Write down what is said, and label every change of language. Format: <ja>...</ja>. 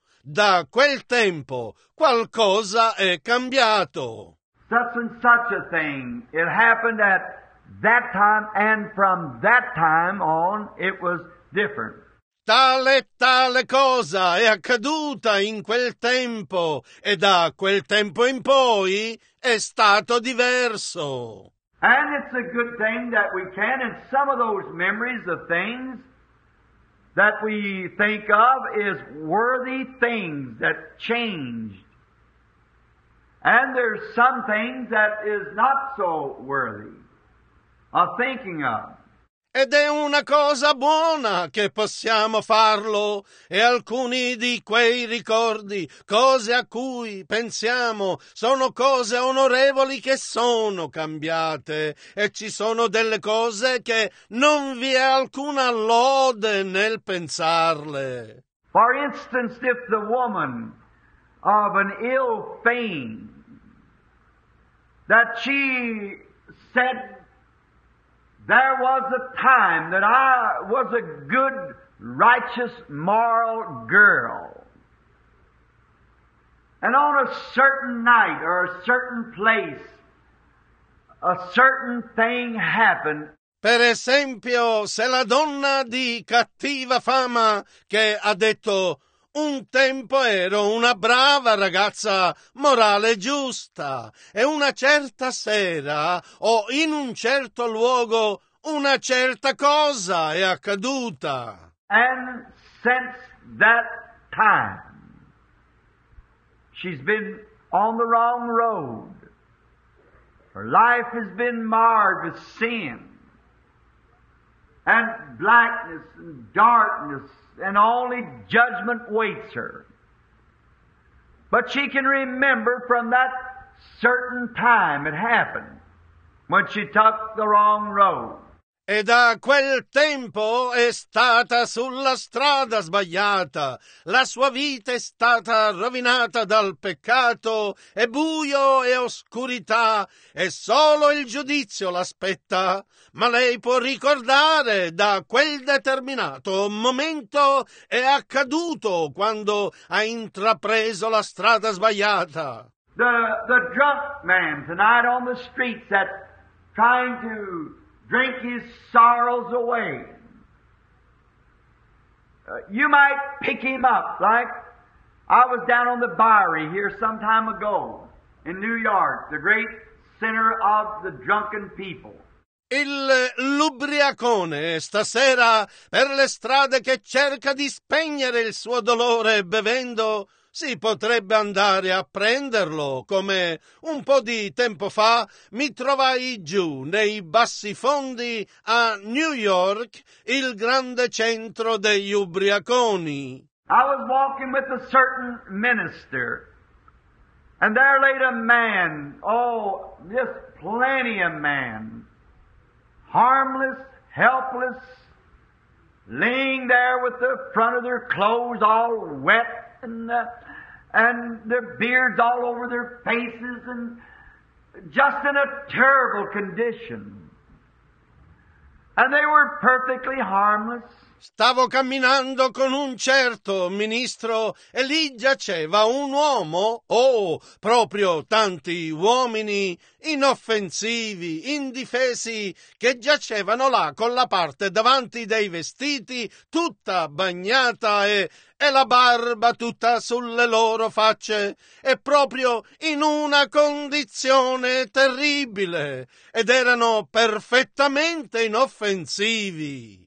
<it>Da quel tempo, qualcosa è cambiato.</it> <en>Such and such a thing. It happened at that time, and from that time on, it was different.</en> <it>Tale e tale cosa è accaduta in quel tempo, e da quel tempo in poi è stato diverso.</it> <en>And it's a good thing that we can, and some of those memories of things that we think of is worthy things that changed. And there's some things that is not so worthy of thinking of.</en> <it>Ed è una cosa buona che possiamo farlo, e alcuni di quei ricordi, cose a cui pensiamo, sono cose onorevoli che sono cambiate, e ci sono delle cose che non vi è alcuna lode nel pensarle.</it> <en>For instance, if the woman of an ill fame that she said, there was a time that I was a good, righteous, moral girl. And on a certain night or a certain place, a certain thing happened.</en> <it>Per esempio, se la donna di cattiva fama che ha detto, un tempo ero una brava ragazza morale giusta, e una certa sera o in un certo luogo una certa cosa è accaduta.</it> <en>And since that time she's been on the wrong road. Her life has been marred with sin and blackness and darkness. And only judgment waits her. But she can remember from that certain time it happened when she took the wrong road.</en> <it>E da quel tempo è stata sulla strada sbagliata. La sua vita è stata rovinata dal peccato e buio e oscurità. E solo il giudizio l'aspetta. Ma lei può ricordare da quel determinato momento è accaduto quando ha intrapreso la strada sbagliata.</it> <en>The drunk man tonight on the streets that trying to drink his sorrows away. You might pick him up, like I was down on the Bowery here some time ago in New York, the great center of the drunken people.</en> <it>Il lubriacone stasera per le strade che cerca di spegnere il suo dolore bevendo, si potrebbe andare a prenderlo, come un po' di tempo fa mi trovai giù nei bassi fondi a New York, il grande centro degli ubriaconi.</it> <en>I was walking with a certain minister And there laid a man, oh, just plenty of man, harmless, helpless, laying there with the front of their clothes all wet and their beards all over their faces and just in a terrible condition. And they were perfectly harmless.</en> <it>Stavo camminando con un certo ministro e lì giaceva un uomo, proprio tanti uomini inoffensivi, indifesi, che giacevano là con la parte davanti dei vestiti tutta bagnata e la barba tutta sulle loro facce e proprio in una condizione terribile ed erano perfettamente inoffensivi.</it>